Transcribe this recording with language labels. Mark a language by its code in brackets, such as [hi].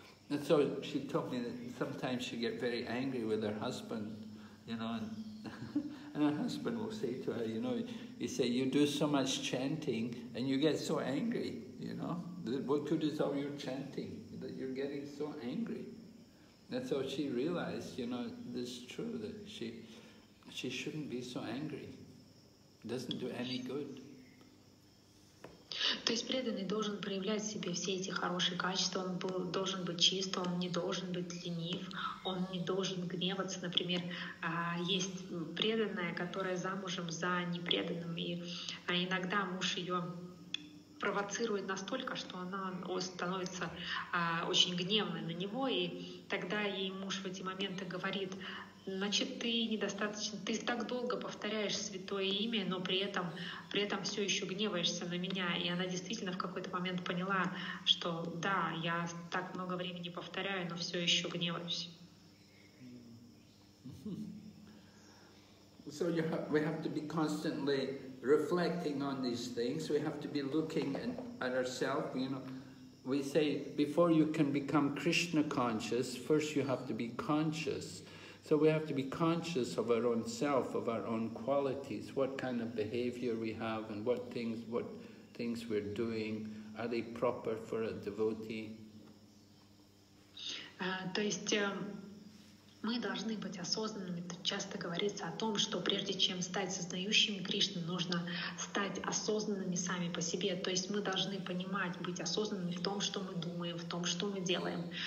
[en] And so she told me that sometimes she gets very angry with her husband, you know, and her husband will say to her, you know, he say, you do so much chanting and you get so angry, you know, what good is all your chanting that you're getting so angry? And so she realized, you know, this is true, that she shouldn't be so angry. It doesn't do any good. [ru] То есть преданный должен проявлять в себе все эти хорошие качества, он должен быть чист, он не должен быть ленив, он не должен гневаться. Например, есть преданная, которая замужем за непреданным, и иногда муж ее провоцирует настолько, что она становится очень гневной на него, и тогда ей муж в эти моменты говорит: значит, ты недостаточно, ты так долго повторяешь святое имя, но при этом все еще гневаешься на меня. И она действительно в какой-то момент поняла, что да, я так много времени повторяю, но все еще гневаюсь. [en] So we have to be constantly reflecting on these things. We have to be looking at ourselves. You know, we say before you can become Krishna conscious, first you have to be conscious. So we have to be conscious of our own self, of our own qualities, what kind of behavior we have and what things we're doing, are they proper for a devotee? [ru] То есть мы должны быть осознанными. Часто говорится о том, что прежде чем стать сознающим Кришну, нужно стать осознанными сами по себе. То есть мы должны понимать, быть осознанными в том, что мы думаем, в том, что мы делаем.